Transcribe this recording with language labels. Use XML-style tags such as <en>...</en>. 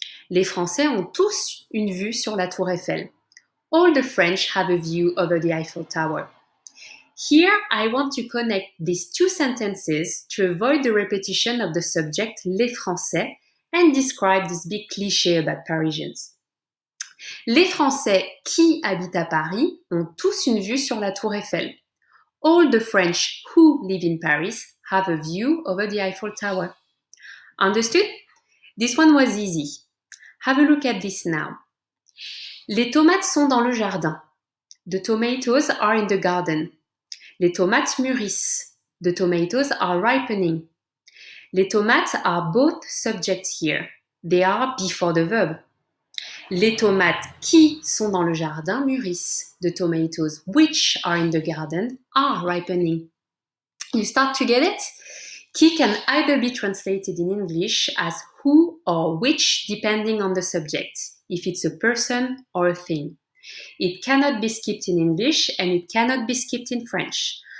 <fr>Les Français ont tous une vue sur la Tour Eiffel.</fr> <en>All the French have a view over the Eiffel Tower. Here, I want to connect these two sentences to avoid the repetition of the subject les Français and describe this big cliché about Parisians.</en> <fr>Les Français qui habitent à Paris ont tous une vue sur la Tour Eiffel.</fr> <en>All the French who live in Paris have a view over the Eiffel Tower. Understood? This one was easy. Have a look at this now.</en> <fr>Les tomates sont dans le jardin.</fr> <en>The tomatoes are in the garden.</en> <fr>Les tomates mûrissent.</fr> <en>The tomatoes are ripening. Les tomates are both subjects here. They are before the verb.</en> <fr>Les tomates qui sont dans le jardin mûrissent.</fr> <en>The tomatoes which are in the garden are ripening. You start to get it? Qui can either be translated in English as who or which depending on the subject, if it's a person or a thing. It cannot be skipped in English and it cannot be skipped in French.</en>